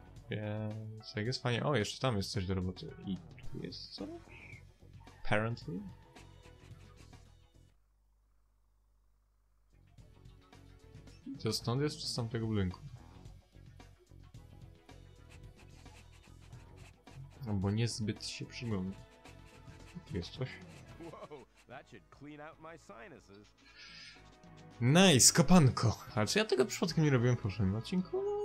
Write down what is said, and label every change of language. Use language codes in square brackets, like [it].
[pl] Więc jak jest fajnie. O, jeszcze tam jest coś do roboty. I tu jest co? [en] Apparently. [pl] To stąd jest, czy z tamtego budynku? No bo niezbyt się przyglądam. Tu jest coś. [en] That should clean out my sinuses. Nice, [pl] kopanko. A czy ja tego przypadkiem nie robiłem w poprzednim odcinku?